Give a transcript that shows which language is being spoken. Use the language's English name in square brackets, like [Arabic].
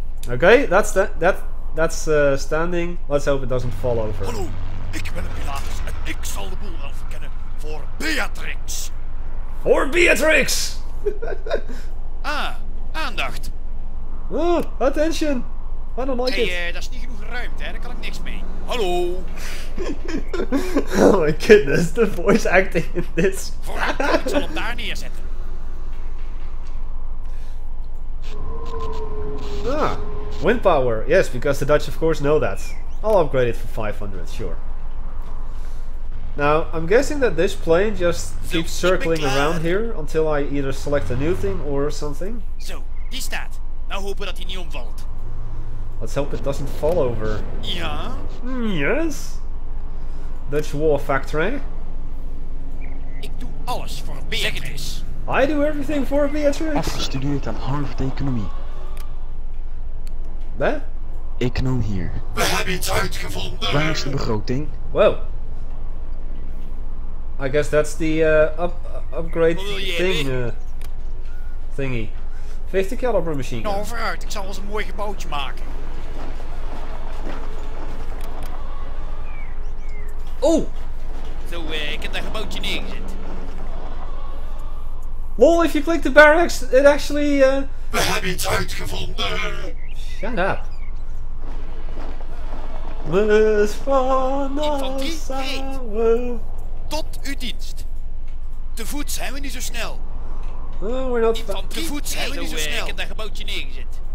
[English] Okay, that's standing. Let's hope it doesn't fall over. [Dutch] Hallo, ik ben Pilatus en ik zal de boel wel verkennen voor Beatrix. Voor Beatrix! Ah, aandacht. [English] Oh, attention. I don't like it. [Dutch] Dat is niet genoeg ruimte, hè? Daar kan ik niks mee. Hallo. [English] Oh my goodness, the voice acting in this. [Dutch] Vooruit, ik zal hem daar neerzetten. [English] Ah, wind power. Yes, because the Dutch of course know that. I'll upgrade it for 500, sure. Now, I'm guessing that this plane just keeps circling around here until I either select a new thing or something. [Dutch] So, die staat. Nou hopen dat hij niet omvalt. [English] Let's hope it doesn't fall over. [Dutch] Ja. [English] Yes. Dutch war factory. [Dutch] Ik doe alles voor Beatrix. [English] I do everything for Beatrix. [Dutch] Afgestudeerd aan Harvard Economie. Ben? Ik noem hier. We hebben iets uitgevonden! Waar is de begroting? Wow. [English] I guess that's the upgrade thingy. 50 caliber machine. [Dutch] Nou, vooruit, ik zal ons een mooi gebouwtje maken. Oh! Zo, ik heb dat gebouwtje neergezet. [English] Lol, if you click the barracks, it actually [Dutch] We hebben iets uitgevonden! [English] Shut up. [Dutch] Miss van Nassau. Tot uw dienst. Te voet zijn we niet zo snel. [English] Oh, we're not [Dutch] te voet zijn we niet zo snel. Ik heb dat gebouwtje neergezet.